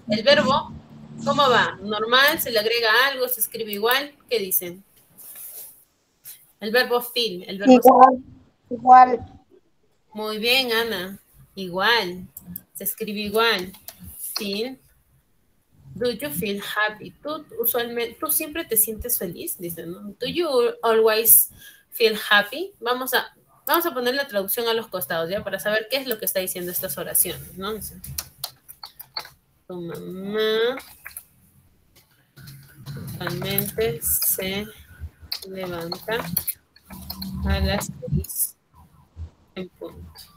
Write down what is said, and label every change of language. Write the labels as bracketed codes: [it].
[es] El verbo, ¿cómo va? ¿Normal? ¿Se le agrega algo? ¿Se escribe igual? ¿Qué dicen? El verbo feel. El verbo igual, feel. Igual. Muy bien, Ana. Igual. Se escribe igual. Feel. [en] Do you feel happy? [es] Tú usualmente, tú siempre te sientes feliz, dicen, ¿no? [en] Do you always feel happy? [es] Vamos a poner la traducción a los costados, ¿ya? Para saber qué es lo que está diciendo estas oraciones, ¿no? Dice, tu mamá usualmente se levanta a las 6 en punto.